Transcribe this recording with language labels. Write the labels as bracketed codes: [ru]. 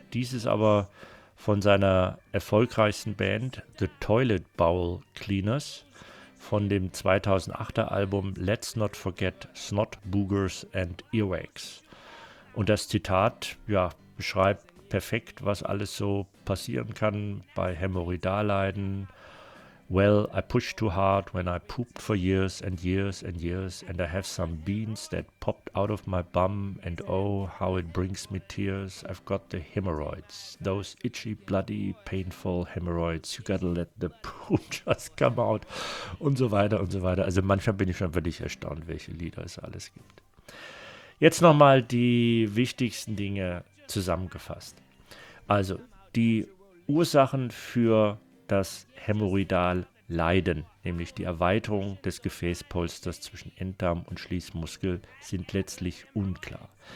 [de] Dies ist aber von seiner erfolgreichsten Band, The Toilet Bowl Cleaners, von dem 2008er Album Let's Not Forget Snot, Boogers and Earwax. Und das Zitat, ja, beschreibt perfekt, was alles so passieren kann bei Hämorrhoidalleiden. [en] Well, I pushed too hard when I pooped for years and years and years, and I have some beans that popped out of my bum, and oh, how it brings me tears. I've got the hemorrhoids, those itchy, bloody, painful hemorrhoids. You gotta let the poop just come out. [de] Und so weiter und so weiter. Also manchmal bin ich schon wirklich erstaunt, welche Lieder es alles gibt. Jetzt nochmal die wichtigsten Dinge zusammengefasst. Also die Ursachen für das Hämorrhoidalleiden, nämlich die Erweiterung des Gefäßpolsters zwischen Enddarm und Schließmuskel, sind letztlich unklar.